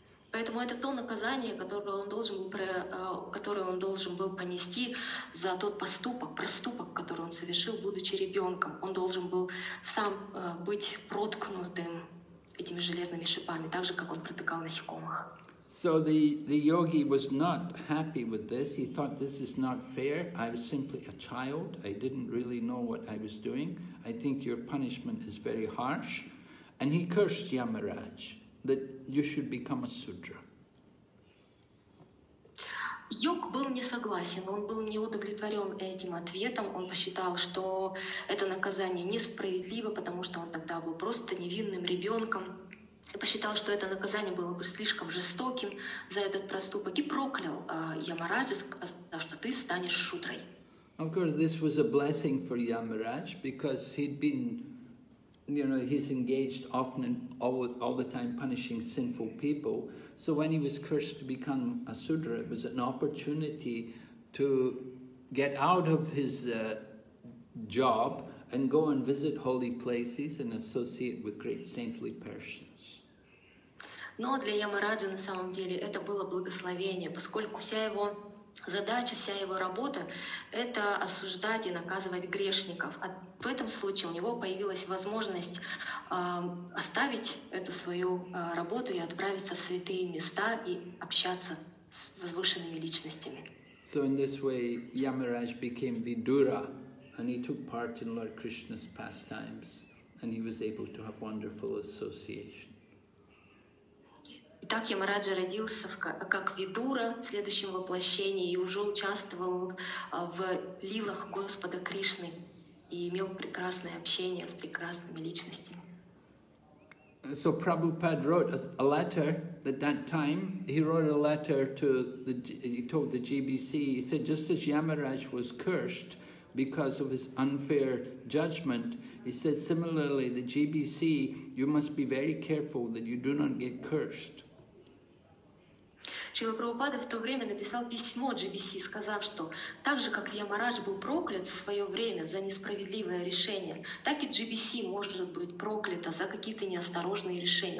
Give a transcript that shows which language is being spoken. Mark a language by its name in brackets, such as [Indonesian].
[Russian] Поэтому это то наказание, которое он должен был понести за тот проступок, который он совершил, будучи ребенком. Он должен был сам быть проткнутым этими железными шипами, так же, как он протыкал насекомых. [English] So the yogi was not happy with this. He thought, this is not fair. I was simply a child. I didn't really know what I was doing. I think your punishment is very harsh. And he cursed Yamaraj that you should become a sudra. [Russian] Йог был не согласен, он был не удовлетворен этим ответом. Он посчитал, что это наказание несправедливо, потому что он тогда был просто невинным ребенком. Я посчитал, что это наказание было бы слишком жестоким за этот проступок, и проклял Ямараджа, сказав, что ты станешь шудрой. [English] Of course, this was a blessing for Yamaraj, because he'd been, you know, he's engaged often and all the time punishing sinful people. So when he was cursed to become a sudra, it was an opportunity to get out of his job and go and visit holy places and associate with great saintly persons. [Russian] Но для Ямараджи на самом деле это было благословение, поскольку вся его задача, вся его работа — это осуждать и наказывать грешников. А в этом случае у него появилась возможность оставить эту свою работу и отправиться в святые места и общаться с возвышенными личностями. [English] So in this way Yamaraj became Vidura, and he took part in Lord Krishna's pastimes, and he was able to have wonderful association. [Russian] Итак, Ямараджа родился как Видура в следующем воплощении и уже участвовал в лилах Господа Кришны и имел прекрасное общение с прекрасными личностями. [English] So Prabhupada wrote a letter at that time. He wrote a letter to the, he told the GBC, he said, just as Yamaraj was cursed because of his unfair judgment, he said, similarly, the GBC, you must be very careful that you do not get cursed. [Russian] Шрила Прабхупада в то время написал письмо GBC, сказав, что так же, как Ямарадж был проклят в свое время за несправедливое решение, так и GBC может быть проклято за какие-то неосторожные решения.